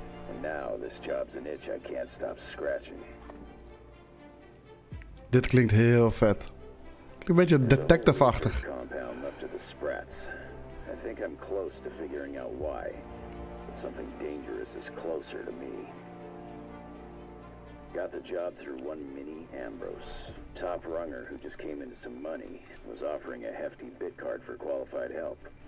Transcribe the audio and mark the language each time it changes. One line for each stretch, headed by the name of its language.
English: And now this job's an itch I can't stop scratching.
Dutch: Dit klinkt heel vet. Klinkt een beetje detective-achtig.
English: Sprats. I think I'm close to figuring out why, but something dangerous is closer to me. Got the job through one mini Ambrose, top runner who just came into some money, was offering a hefty bit card for qualified help.